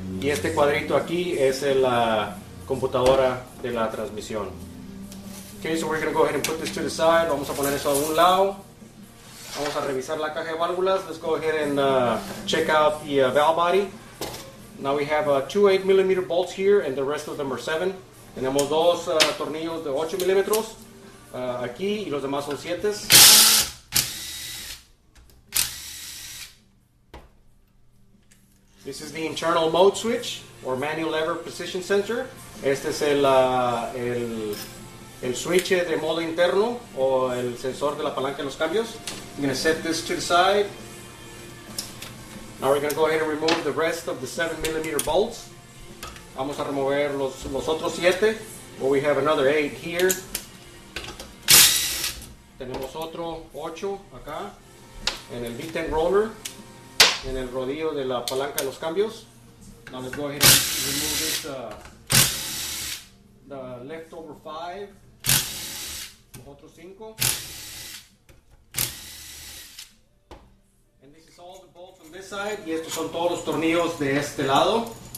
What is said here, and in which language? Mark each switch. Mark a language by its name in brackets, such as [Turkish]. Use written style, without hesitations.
[Spanish] Y este cuadrito aquí es la computadora de la transmisión. [English] Okay, so we're going to go ahead and put this to the side. [Spanish] Vamos a poner eso a un lado. Vamos a revisar la caja de válvulas. [English] Let's go ahead and check out the valve body. Now we have 2 8 millimeter bolts here, and the rest of them are 7. [Spanish] Tenemos dos tornillos de 8 milímetros aquí, y los demás son 7. [English] This is the internal mode switch, or manual lever position sensor. [Spanish] Este es el switch de modo interno, o el sensor de la palanca de los cambios. [English] I'm going to set this to the side. Now we're going to go ahead and remove the rest of the 7 millimeter bolts. [Spanish] Vamos a remover los otros 7. [English] Well, we have another 8 here. [Spanish] Tenemos otro 8 acá. And el V10 roller. [English] And [Spanish] el rodillo de la palanca de los cambios. [English] Now let's go ahead and remove this, the leftover 5. [Spanish] Los otros 5. [English] And this is all the bolts on this side. [Spanish] Y estos son todos los tornillos de este lado.